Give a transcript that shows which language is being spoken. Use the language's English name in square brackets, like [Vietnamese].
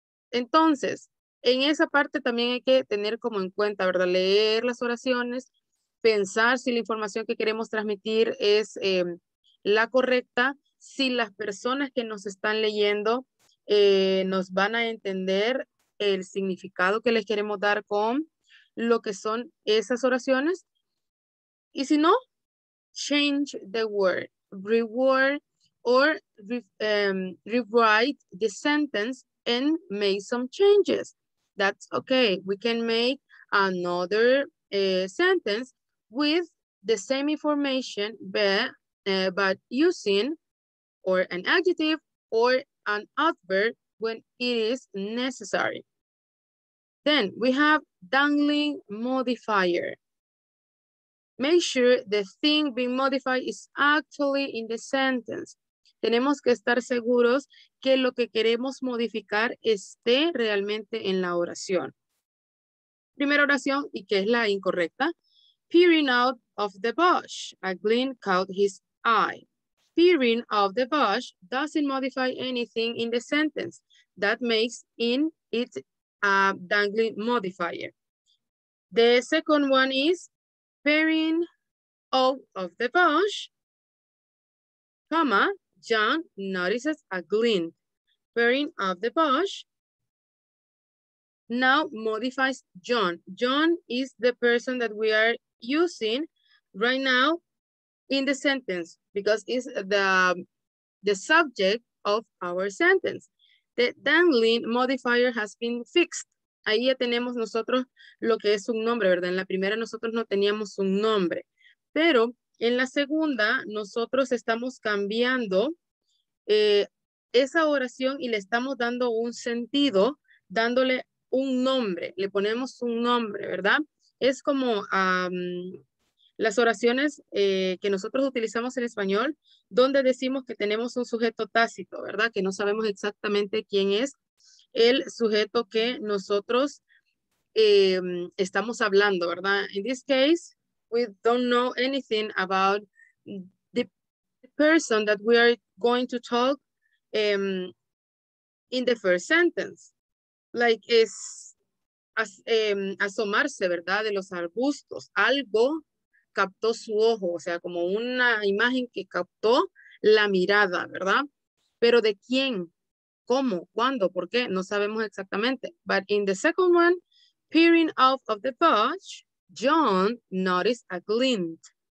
[Spanish] Entonces, en esa parte también hay que tener como en cuenta, ¿verdad?, leer las oraciones, pensar si la información que queremos transmitir es la correcta, si las personas que nos están leyendo nos van a entender el significado que les queremos dar con lo que son esas oraciones. Y si no, [English] change the word, reword or rewrite the sentence and make some changes. That's okay. We can make another sentence with the same information, but using or an adjective or an adverb when it is necessary. Then we have dangling modifier. Make sure the thing being modified is actually in the sentence. [Spanish] Tenemos que estar seguros que lo que queremos modificar esté realmente en la oración. Primera oración, y que es la incorrecta. [English] Peering out of the bush, a glint caught his eye. Peering out of the bush doesn't modify anything in the sentence. That makes it a dangling modifier. The second one is peering out of the bush, comma, John notices a glint. Peering out of the bush now modifies John. John is the person that we are using right now in the sentence because it's the subject of our sentence. The dangling modifier has been fixed. [Spanish] Ahí ya tenemos nosotros lo que es un nombre, ¿verdad? En la primera nosotros no teníamos un nombre, pero en la segunda nosotros estamos cambiando esa oración y le estamos dando un sentido, dándole un nombre, le ponemos un nombre, ¿verdad? Es como las oraciones que nosotros utilizamos en español, donde decimos que tenemos un sujeto tácito, ¿verdad? Que no sabemos exactamente quién es el sujeto que nosotros estamos hablando, ¿verdad? [English] In this case, we don't know anything about the person that we are going to talk in the first sentence. Like is [Spanish] asomarse, ¿verdad?, de los arbustos. Algo captó su ojo, o sea, como una imagen que captó la mirada, ¿verdad? Pero ¿de quién? ¿Cómo? ¿Cuándo? ¿Por qué? No sabemos exactamente. [English] But in the second one, peering out of the bush, John noticed a glint.